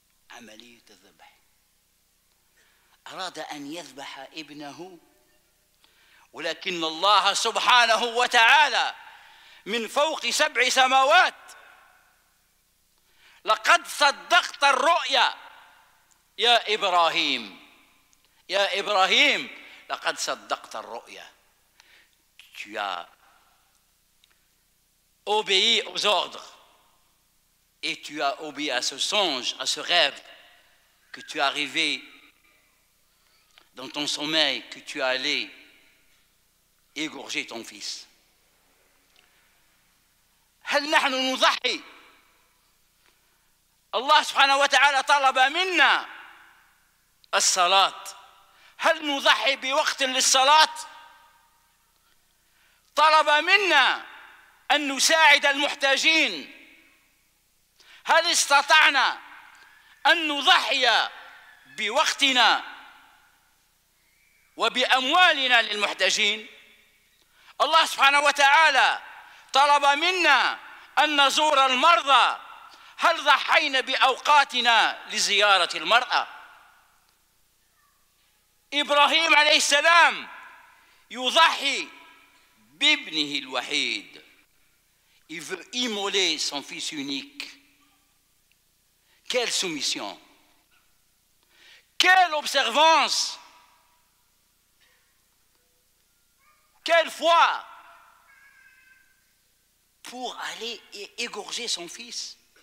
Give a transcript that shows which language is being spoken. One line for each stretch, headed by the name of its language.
Arabic: عملية الذبح، أراد أن يذبح ابنه، ولكن الله سبحانه وتعالى من فوق سبع سماوات لقد صدقت الرؤيا يا إبراهيم، يا إبراهيم لقد صدقت الرؤيا.
French: Tu as obéi aux ordres et tu as obéi à ce songe, à ce rêve que tu as rêvé dans ton sommeil, que tu es allé égorger ton fils.
Arabic: هل نحن نضحي؟ الله سبحانه وتعالى طلب منا الصلاة، هل نضحي بوقت للصلاة؟ طلب منا أن نساعد المحتاجين، هل استطعنا أن نضحي بوقتنا وبأموالنا للمحتاجين؟ الله سبحانه وتعالى طلب منا أن نزور المرضى، هل ضحينا بأوقاتنا لزيارة المرأة؟ إبراهيم عليه السلام يضحي بابنه الوحيد.
French: Il veut immoler son fils unique. Quelle soumission! Quelle observance! Quelle foi! Pour aller égorger son fils.